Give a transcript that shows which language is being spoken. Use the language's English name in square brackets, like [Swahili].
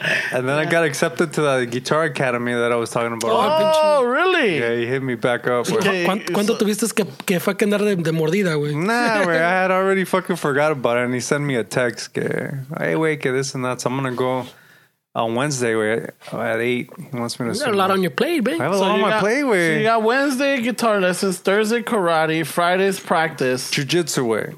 [English] And then I got accepted to the Guitar Academy that I was talking about. Oh, really? Yeah, he hit me back up. [Spanish] ¿Cuánto tuviste que fue que andar de mordida, güey? [English] Nah, güey, I had already fucking forgot about it. And he sent me a text que, hey, güey, que this and that. So I'm going to go on Wednesday, we at 8. He wants me to. You got a lot on your plate, babe. I have a lot on my plate, we. So you got Wednesday guitar lessons, Thursday karate, Friday's practice, jiu-jitsu way.